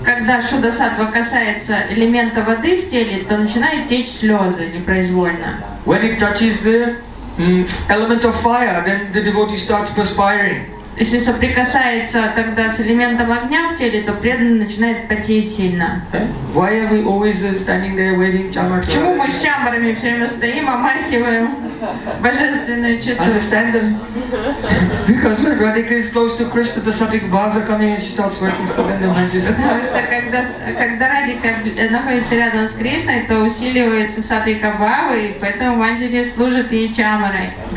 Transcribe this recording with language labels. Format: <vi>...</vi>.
<ru>Когда Шуддасатва касается элемента воды в теле, то начинают течь слезы непроизвольно.</ru> <en>When it touches the element of fire, then the devotee starts perspiring.</en> <ru>Если соприкасается тогда с элементом огня в теле, то преданный начинает потеть сильно.</ru> <en>Why are we always standing there waving chamar?</en> <ru>Почему мы с чамарами все время стоим, омахиваем божественную чету?</ru> <en>Understand them? Because when Radhika is close to Krishna, the sattvic bhavs are coming and she starts sweating, so then the mind is.</en> <ru>Потому что когда Радика находится рядом с Кришной, то усиливается сатвик бхавы, и поэтому манджири служит ей чамарой.</ru>